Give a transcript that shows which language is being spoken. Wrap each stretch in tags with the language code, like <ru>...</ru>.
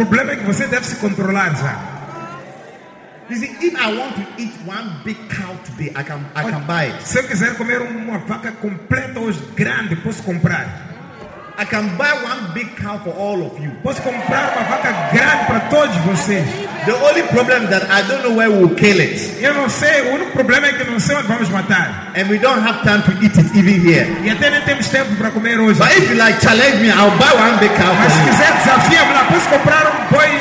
<pt>O problema é que você deve se controlar já.</pt> <en>You see, if I want to eat one big cow today, I can buy it.</en> <pt>Se eu quiser comer uma vaca completa hoje grande, posso comprar.</pt> <en>I can buy one big cow for all of you.</en> <pt>Posso comprar uma vaca grande para todos vocês.</pt> <en>The only problem is that I don't know where we'll kill it.</en> <pt>Eu não sei, o único problema é que não sei onde vamos matar.</pt> <en>And we don't have time to eat it even here.</en> <pt>E até nem temos tempo para comer hoje.</pt> <en>But if you like challenge me, I'll buy one big cow.</en> <pt>Mas se quiser desafiar-me lá, posso comprar um boi.</pt>